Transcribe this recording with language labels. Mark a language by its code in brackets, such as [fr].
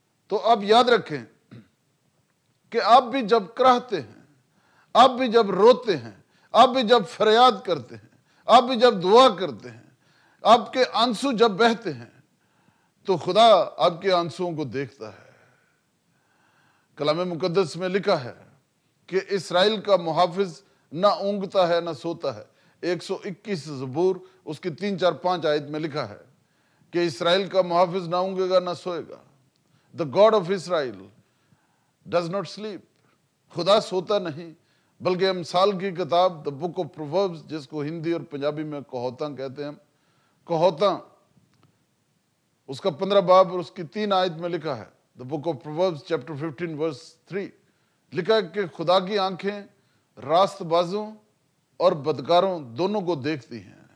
[ur] تو آپ یاد رکھیں کہ آپ بھی جب کراہتے ہیں, آپ بھی جب روتے ہیں, آپ بھی جب فریاد کرتے ہیں, آپ بھی جب دعا کرتے ہیں, آپ کے آنسو جب بہتے ہیں تو خدا آپ کے آنسوؤں کو دیکھتا ہے. کلام مقدس میں لکھا ہے کہ اسرائیل کا محافظ نہ اونگتا ہے نہ سوتا ہے. 121 زبور اس کی 3-4-5 آیت میں لکھا ہے کہ اسرائیل کا محافظ نہ اونگے گا نہ سوئے گا. [en] The God of Israel does not sleep. [ur] خدا سوتا نہیں, بلکہ امثال کی کتاب [en] the Book of Proverbs [ur] جس کو ہندی اور پنجابی میں کہوتاں کہتے ہیں, کہوتاں, اس کا 15 باب اور اس کی 3 آیت میں لکھا ہے, [en] the Book of Proverbs chapter 15 verse 3 [ur] لکھا ہے کہ خدا کی آنکھیں راست بازوں اور بدکاروں دونوں کو دیکھتی ہیں.